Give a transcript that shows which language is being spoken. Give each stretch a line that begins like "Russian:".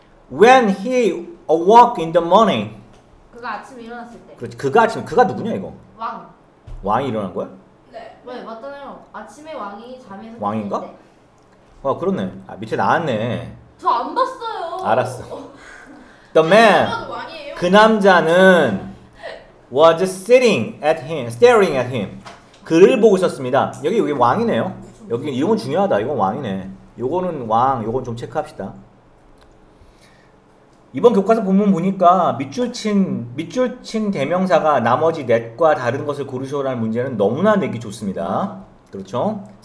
English: When he awoke in the morning.
Korean: 그가 아침에 일어났을 때. 그렇지. 그가 아침에, 그가 누구냐, 이거? 왕. 왕이 일어난 거야? 네. 왜, 맞잖아요. 아침에 왕이 잠에서 왕인가? 깼을 때. 와, 그렇네. 아, 밑에 나왔네. 저안 봤어요. 알았어.
English: The man,
Korean: 그 남자는
English: was sitting at him, staring at him.
Korean: 그를 보고 있었습니다. 여기 왕이네요. 여기 이건 중요하다. 이건 왕이네. 요거는 왕, 요건 좀 체크합시다. 이번 교과서 본문 보니까 밑줄 친 대명사가 나머지 넷과 다른 것을 고르시오라는 문제는 너무나 내기 좋습니다. 그렇죠?